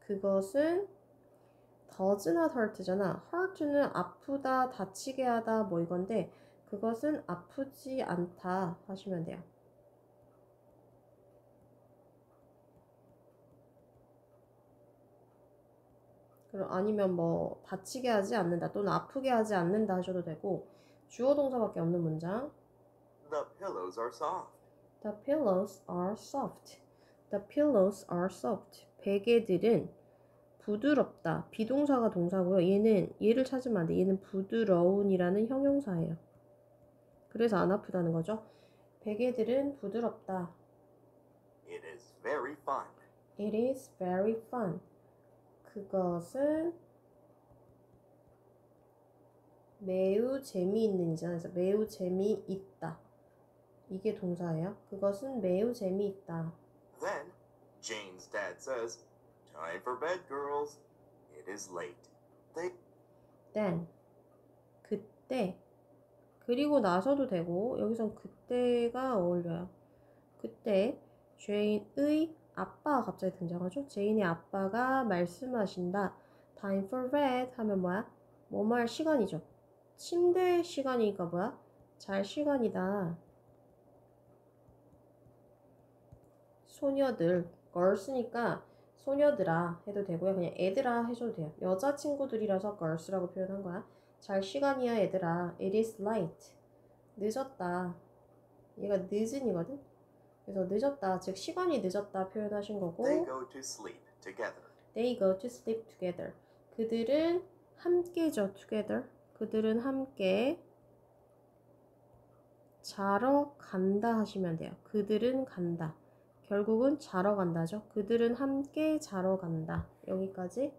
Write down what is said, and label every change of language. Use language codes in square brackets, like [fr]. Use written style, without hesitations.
[ko] 그것은 [en] does not hurt잖아. [ko] hurt는 아프다, 다치게 하다 뭐 이건데 그것은 아프지 않다 하시면 돼요. 아니면 뭐 다치게 하지 않는다 또는 아프게 하지 않는다 하셔도 되고 주어 동사밖에 없는 문장. [en] The pillows are soft. The pillows are soft. The pillows are soft. [ko] 베개들은 부드럽다. 비동사가 동사고요. 얘는 얘를 찾으면 안 돼. 얘는 부드러운이라는 형용사예요. 그래서 안 아프다는 거죠. 베개들은 부드럽다. [en] It is very fun. It is very fun. [ko] 그것은 매우 재미있는이잖아요. 매우 재미있다. 이게 동사예요. 그것은 매우 재미있다. [en] Then Jane's dad says, "Time for bed, girls. It is late." They... [ko] Then 그때 그리고 나서도 되고 여기선 그때가 어울려요. 그때 제인의 아빠가 갑자기 등장하죠. 제인의 아빠가 말씀하신다. Time for bed 하면 뭐야? 뭐뭐 할 시간이죠. 침대 시간이니까 뭐야? 잘 시간이다. 소녀들, girls니까 소녀들아 해도 되고요. 그냥 애들아 해줘도 돼요. 여자친구들이라서 girls라고 표현한 거야. 잘 시간이야 애들아. [en] It is late. [ko] 늦었다. 얘가 늦은이거든? 그래서 늦었다, 즉 시간이 늦었다 표현하신 거고 [en] They go to sleep together. They go to sleep together. [ko] 그들은 함께죠. Together. 그들은 함께 자러 간다 하시면 돼요. 그들은 간다. 결국은 자러 간다죠. 그들은 함께 자러 간다. 여기까지.